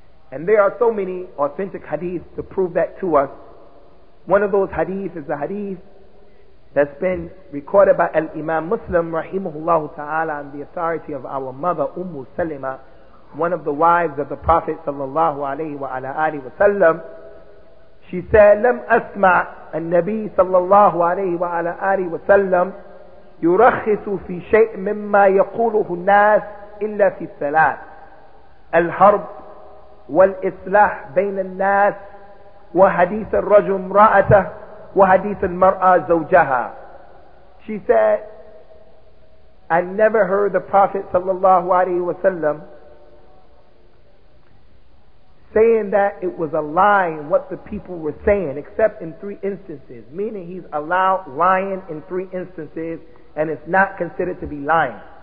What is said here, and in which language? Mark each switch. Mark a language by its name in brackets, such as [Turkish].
[English] And there are so many authentic hadith to prove that to us. One of those hadith is a hadith that's been recorded by Al-Imam Muslim rahimahullah ta'ala on the authority of our mother Ummu Salima, one of the wives of the Prophet sallallahu alayhi wa ala alihi wa sallam. She said, [Arabic] لم أسمع النبي صلى الله عليه وعلى آله وسلم يرخص في شيء مما يقوله الناس إلا في الثلاث الحرب والإصلاح بين الناس وحديث الرجل امرأته وحديث المرأة زوجها. [English] She said, I never heard the Prophet sallallahu alayhi wa sallam saying that it was a lie in what the people were saying, except in three instances. Meaning he's allowed lying in three instances, and it's not considered to be lying.